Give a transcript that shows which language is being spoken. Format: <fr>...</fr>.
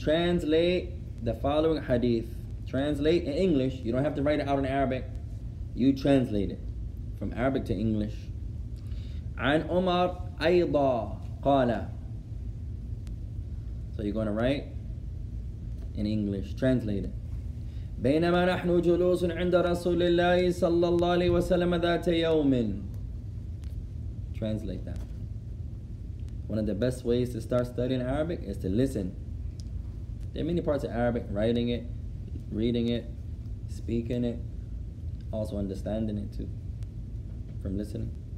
<en>Translate the following hadith. Translate in English. You don't have to write it out in Arabic. You translate it from Arabic to English.</en> <ar>عن عمر أيضا قال.</ar> <en>So you're going to write in English. Translate it.</en> <ar>بينما نحن جلوس عند رسول الله صلى الله عليه وسلم ذات يوم.</ar> <en>Translate that. One of the best ways to start studying Arabic is to listen. There are many parts of Arabic, writing it, reading it, speaking it, also understanding it too, from listening.</en>